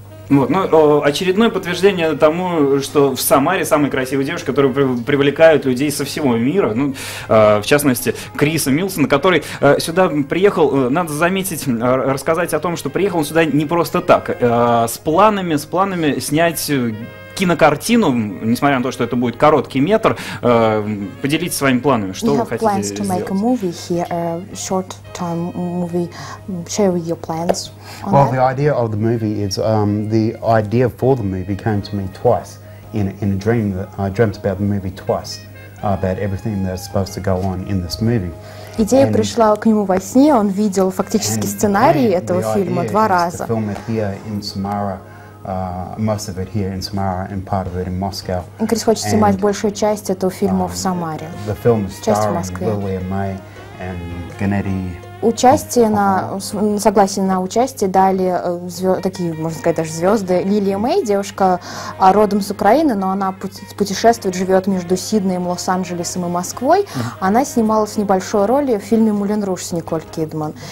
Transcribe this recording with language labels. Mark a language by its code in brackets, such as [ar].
[ru] Вот, ну, очередное подтверждение тому, что в Самаре самые красивые девушки, которые привлекают людей со всего мира, ну, в частности, Криса Милсона, который сюда приехал, надо заметить, рассказать о том, что приехал он сюда не просто так, с планами снять кинокартину, несмотря на то, что это будет короткий метр, поделитесь своими планами, что вы хотите сделать. [en] Make a movie here, a short-term movie. Share with your plans. Well, the idea of the movie is the idea for the movie came to me twice in a dream that I dreamt about the movie twice about everything that's supposed to go on in this movie. [ru] Идея and пришла к нему во сне. Он видел фактически сценарий этого фильма два раза. [en] Film it here in Samara, most of it here in Samara and part of it in Moscow. [ru] Крис хочет снимать большую часть этого фильма в Самаре. [en] The film is starring Lillian May and Gennady. [ru] Участие на согласие на участие дали такие, можно сказать, даже звезды. Лилия Мэй, девушка родом с Украины, но она путешествует, живет между Сиднеем, Лос-Анджелесом и Москвой. Она снималась в небольшой роли в фильме «Мулен Руж» с Николь Кидман.